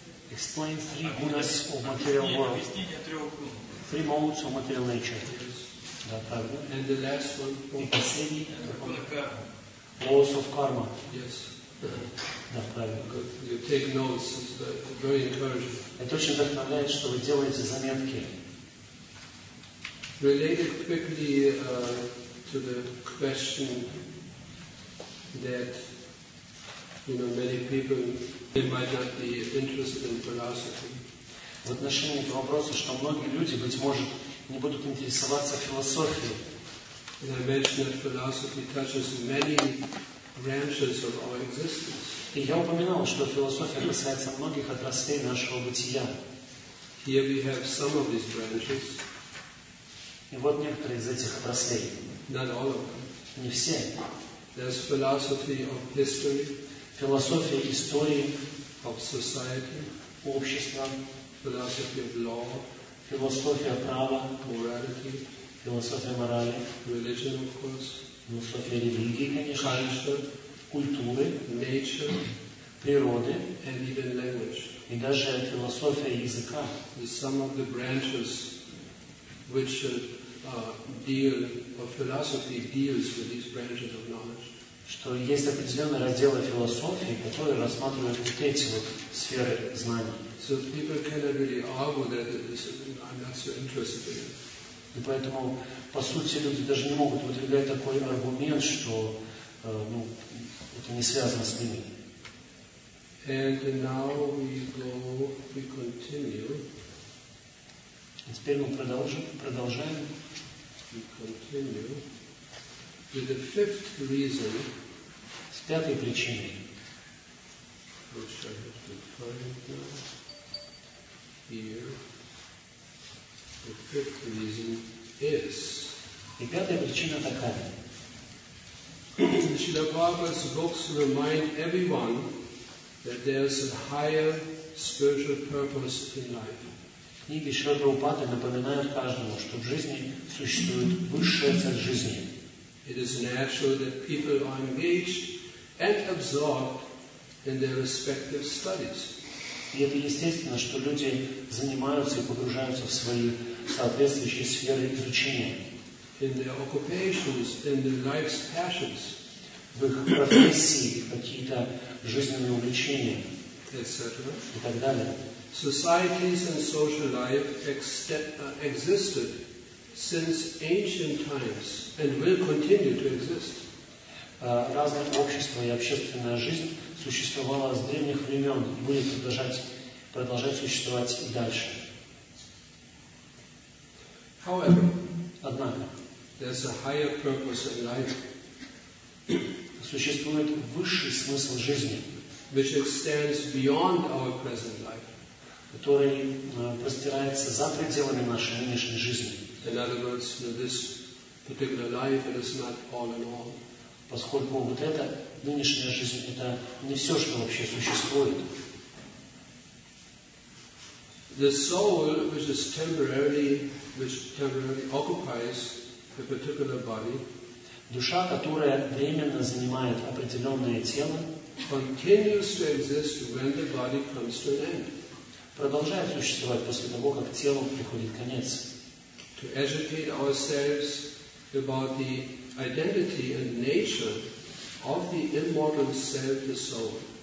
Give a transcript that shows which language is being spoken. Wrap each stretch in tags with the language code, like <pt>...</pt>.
<en>Explain three gunas of material world. Three modes of material nature.</en> <ru>Да, правильно.</ru> <en>And the last one?</en> <ru>И последний. Закон карма.</ru> <en>Laws of karma. Yes.</en> <ru>Да, правильно.</ru> <en>You take notes, it's very encouraging.</en> <ru>Это очень вдохновляет, что вы делаете заметки.</ru> <en>Related quickly to the question that, you know, many people, they might not be interested in philosophy.</en> <ru>В отношении к вопросу, что многие люди, быть может, не будут интересоваться философией.</ru> <en>And I mentioned that philosophy touches many branches of our existence.</en> <ru>И я упоминал, что философия касается многих отраслей нашего бытия.</ru> <en>Here we have some of these branches.</en> <ru>И вот некоторые из этих отраслей.</ru> <en>Not all of them.</en> <ru>Не все.</ru> <en>There's philosophy of history.</en> <ru>Философия истории.</ru> <en>Of society.</en> <ru>Общества.</ru> <en>Philosophy of law.</en> <ru>Философия права.</ru> <en>Morality.</en> <ru>Философия морали.</ru> <en>Religion, of course.</en> <ru>Философия религии, конечно.</ru> <en>Culture.</en> <ru>Культуры,</ru> <en>nature,</en> <ru>природы,</ru> <en>and even language.</en> <ru>И даже философия языка.</ru> <en>Some of the branches which deal of philosophy deals with these branches of knowledge.</en> <ru>Что есть определенные разделы философии, которые рассматривают вот эти вот сферы знаний.</ru> <en>So people cannot really argue that I'm not so interested in it.</en> <ru>И поэтому, по сути, люди даже не могут выдвигать такой аргумент, что это не связано с ними.</ru> <en>And now we continue.</en> <ru>И теперь мы продолжаем.</ru> <en>We continue with the fifth reason.</en> <ru>С пятой причиной.</ru> <en>Which I have to find now. Here. The fifth reason is.</en> <ru>И пятая причина такая.</ru> <en>Srila Prabhupada's books remind everyone that there is a higher spiritual purpose in life.</en> <ru>Книги Шрилы Прабхупады напоминают каждому, что в жизни существует высшая цель жизни.</ru> <en>It is natural that people are engaged and absorbed in their respective studies.</en> <ru>И это естественно, что люди занимаются и погружаются в свои соответствующие сферы изучения.</ru> <en>In their occupations, in their life's passions,</en> <ru>в их профессии, какие-то жизненные увлечения,</ru> <en>etc.</en> <ru>И так далее.</ru> <en>Societies and social life existed since ancient times and will continue to exist.</en> <ru>Разные общества и общественная жизнь существовала с древних времен и будет продолжать существовать и дальше.</ru> <en>However,</en> <ru>однако,</ru> <en>there's a higher purpose in life.</en> <ru>Существует высший смысл жизни,</ru> <en>which extends beyond our present life,</en> <ru>который простирается за пределами нашей нынешней жизни.</ru> <en>In other words, this particular life is not all in all.</en> <ru>Поскольку вот эта нынешняя жизнь это не все, что вообще существует.</ru> <en>The soul, which is temporarily, occupies a particular body,</en> <ru>душа, которая временно занимает определенное тело,</ru> <en>continues to exist when the body comes to an end.</en> <ru>Продолжает существовать после того, как телу приходит конец.</ru> <en>To educate ourselves about the identity and nature of the immortal self, the soul.</en>